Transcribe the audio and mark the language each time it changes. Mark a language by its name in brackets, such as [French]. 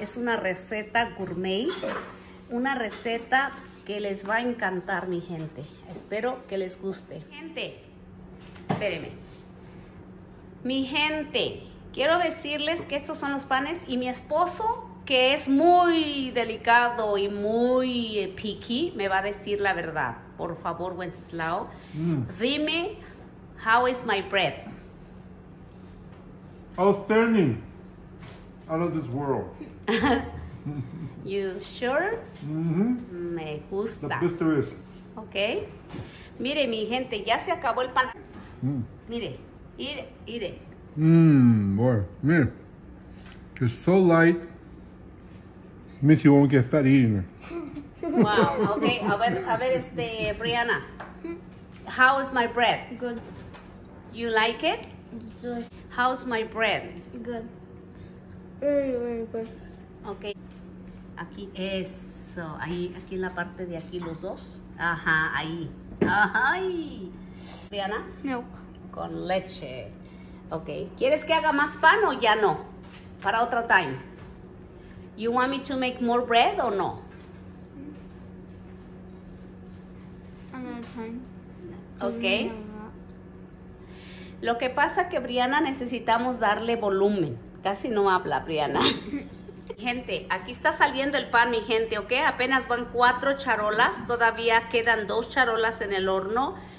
[Spanish] Es una receta gourmet. Una receta que les va a encantar, mi gente. Espero que les guste. Gente, espérenme. Mi gente, quiero decirles que estos son los panes y mi esposo, que es muy delicado y muy picky, me va a decir la verdad. Por favor, [English] Wenceslao, [Spanish] dime, [English] how is my bread? Outstanding. Out of this world. You sure? Mm-hmm. [Spanish] Me gusta. [English] The best there is. [Spanish] Okay. Mire, mi gente, ya se acabó el pan. Mire, mire, mire. [English] Boy, [Spanish] mire, [English] it's so light, Missy won't get fat eating it. Wow, okay, [Spanish] a ver, [English] Brianna, how is my bread? Good. You like it? Good. How's my bread? Good. Very, very good. [Spanish] Okay, aquí, eso, ahí, aquí en la parte de aquí, los dos, ajá, ahí, ajá, ahí. Brianna? [English] Milk. [Spanish] Con leche. Okay. ¿Quieres que haga más pan o ya no? Para otra time. [English] You want me to make more bread or no? Another time. [Spanish] Ok. Lo que pasa que Brianna necesitamos darle volumen. Casi no habla Brianna. Gente, aquí está saliendo el pan, mi gente, ¿ok? Apenas van 4 charolas. Todavía quedan 2 charolas en el horno.